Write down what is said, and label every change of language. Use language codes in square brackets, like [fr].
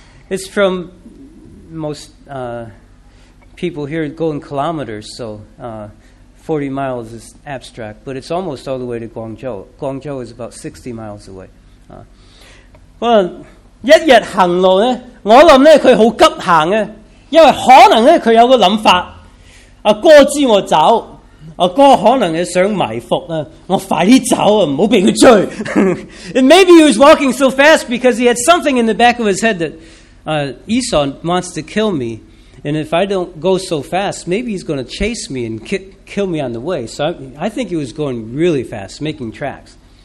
[en] It's from most people here go in kilometers, so 40 miles is abstract, but it's almost all the way to Guangzhou. Guangzhou is about 60 miles away. [yue] 一日行路呢，我諗呢，佢好急行嘅，因為可能呢，佢有個諗法，阿哥知我走。我哥可能想埋伏，我快啲走，唔好俾佢追。 [en] And maybe he was walking so fast because he had something in the back of his head that Esau wants to kill me. And if I don't go so fast, maybe he's going to chase me and kill me on the way. So I think he was going really fast, making tracks.